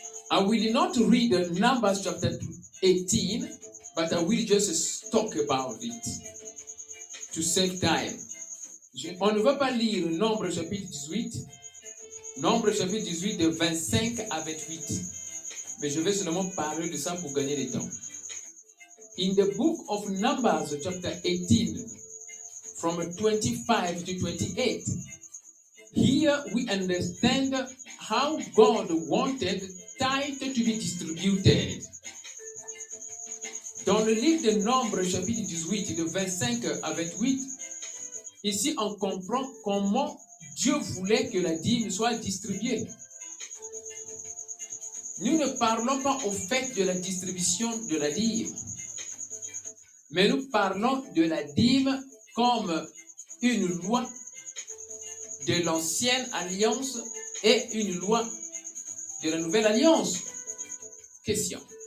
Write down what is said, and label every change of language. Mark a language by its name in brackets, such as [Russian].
[English] I will not read Numbers chapter 18, but I will just talk about it to save time. [French] On ne va pas lire Nombre chapitre 18, Nombre chapitre 18 de 25 à 28, mais je vais seulement parler de ça pour gagner du temps. [English] In the book of Numbers chapter 18, from 25 to 28, here we understand how God wanted tithe to be distributed. [French] Dans le livre de Nombres, chapitre 18, de 25 à 28, ici on comprend comment Dieu voulait que la dîme soit distribuée. Nous ne parlons pas au fait de la distribution de la dîme, mais nous parlons de la dîme comme une loi de l'ancienne alliance et une loi de la nouvelle alliance. Question.